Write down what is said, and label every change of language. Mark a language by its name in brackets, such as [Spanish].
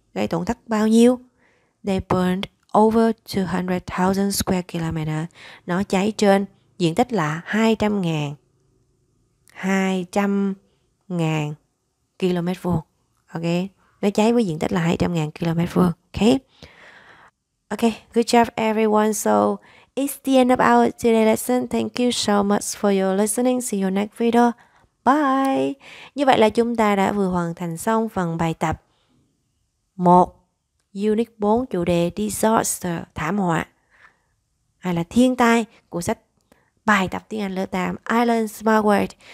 [Vietnamese] Gây tổn thất bao nhiêu? [English] They burned over 200,000 square kilometer. [Vietnamese] Nó cháy trên diện tích là 200,000 km vuông. Ok, nó cháy với diện tích là 200,000 km vuông. [English] Okay. Okay, good job everyone. So it's the end of our today lesson. Thank you so much for your listening. See you next video. Bye. [Vietnamese] Như vậy là chúng ta đã vừa hoàn thành xong phần bài tập 1, Unit 4, chủ đề Disaster, thảm họa, hay là thiên tai, của sách bài tập tiếng Anh lớp 8, I Learn Smart Word.